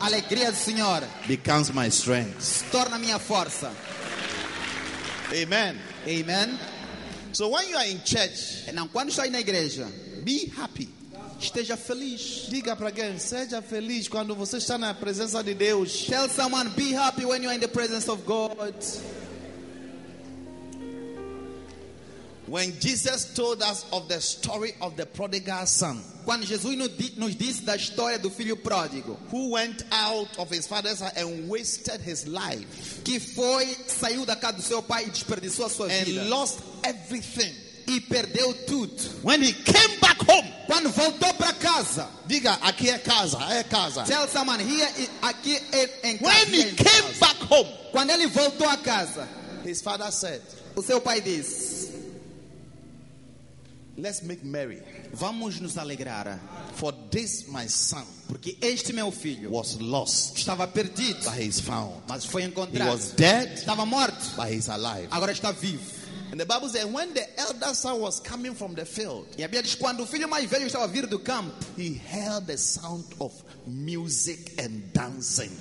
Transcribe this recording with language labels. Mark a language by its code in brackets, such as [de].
[pt] alegria do Senhor, [en] becomes my strength. [pt] Torna minha força. Amen. Amen. [en] So when you are in church, [pt] então quando estou na igreja, [en] be happy. [pt] Esteja feliz. Diga para alguém, seja feliz quando você está na presença de Deus. [en] Tell someone, be happy when you are in the presence of God. When Jesus told us of the story of the prodigal son, [pt] quando Jesus nos disse da história do filho pródigo, [en] who went out of his father's house and wasted his life, [pt] que foi saiu da casa do seu pai e desperdiçou a sua [en] and [pt] vida, [en] and lost everything, [pt] e perdeu tudo. [en] When he came back home, [pt] quando voltou para casa, diga aqui é casa, [en] tell someone here [pt] aqui é em casa. [en] When he came back home, [pt] quando ele voltou a casa, [en] his father said, [pt] o seu pai disse, [en] let's make merry. [pt] Vamos nos alegrar. [en] For this my son, [pt] porque este meu filho [en] was lost, [pt] estava perdido, [en] but he is found, [pt] mas foi encontrado. [en] He was dead, [pt] estava morto, [en] but he is alive, [pt] agora está vivo. [en] And the Bible says when the elder son was coming from the field, [pt] e a Bíblia diz quando o filho mais velho estava vindo do campo, [en] he heard the sound of music and dancing.